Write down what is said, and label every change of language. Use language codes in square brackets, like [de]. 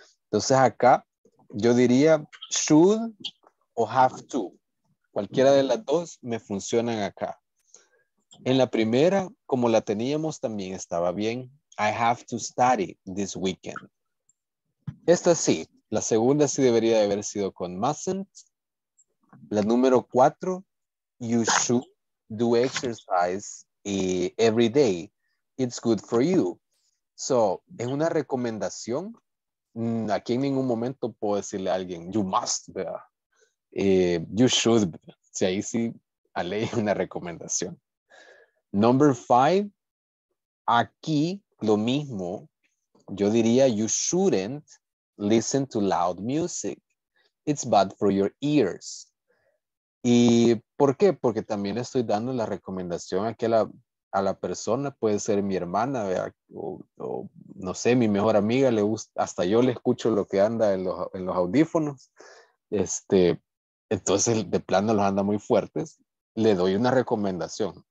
[es] Entonces acá yo diría should o have to. Cualquiera de las dos me funcionan acá. En la primera, como la teníamos, también estaba bien. [en] I have to study this weekend. [es] Esta sí. La segunda sí debería de haber sido con mustn't. [en] La número 4, you should do exercise every day. It's good for you. So, [es] es una recomendación. Aquí en ningún momento puedo decirle a alguien, you must, ¿verdad? You should, si ahí sí a ley una recomendación. [en] Number 5, [es] aquí lo mismo, yo diría [en] you shouldn't listen to loud music, it's bad for your ears. [es] ¿Y por qué? Porque también estoy dando la recomendación aquí a la persona, puede ser mi hermana, o no sé, mi mejor amiga, le gusta, hasta yo le escucho lo que anda en los audífonos, entonces, de plano los anda muy fuertes, le doy una recomendación.